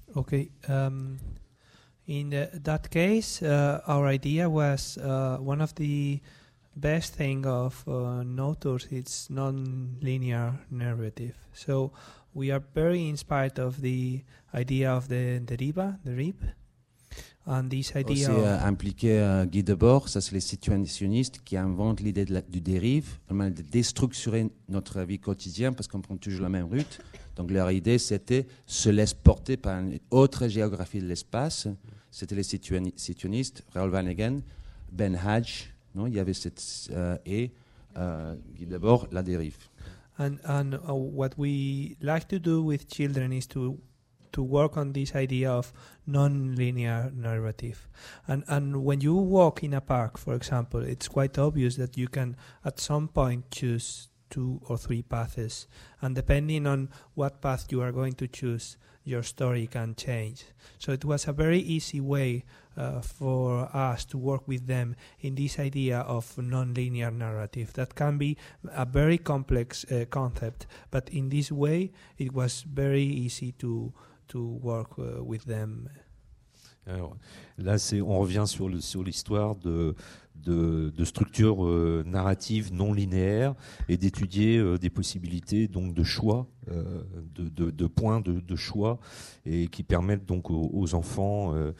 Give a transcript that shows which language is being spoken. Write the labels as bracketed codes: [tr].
[en] In that case, our idea was one of the best thing of Notus, it's non-linear narrative. So we are very inspired of the idea of the deriva, the rib. And this idea [fr] aussi impliqué Guy Debord, ça c'est les situationnistes qui inventent l'idée du dérive, vraiment de déstructurer notre vie quotidienne parce qu'on prend toujours la même route. Donc leur idée c'était se laisser porter par une autre géographie de l'espace. C'était les situationnistes, Raoul Vanegan, Ben Hodge, non, il y avait cette et Guy Debord, la dérive. [en] And what we like to do with children is to work on this idea of non-linear narrative. And when you walk in a park, for example, it's quite obvious that you can at some point choose two or three paths. And depending on what path you are going to choose, your story can change. So it was a very easy way for us to work with them in this idea of non-linear narrative. That can be a very complex concept, but in this way, it was very easy to work with them. [fr] Alors, là, on revient sur l'histoire de structure narrative non linéaire et d'étudier des possibilités donc de choix, de points de choix, et qui permettent donc aux enfants,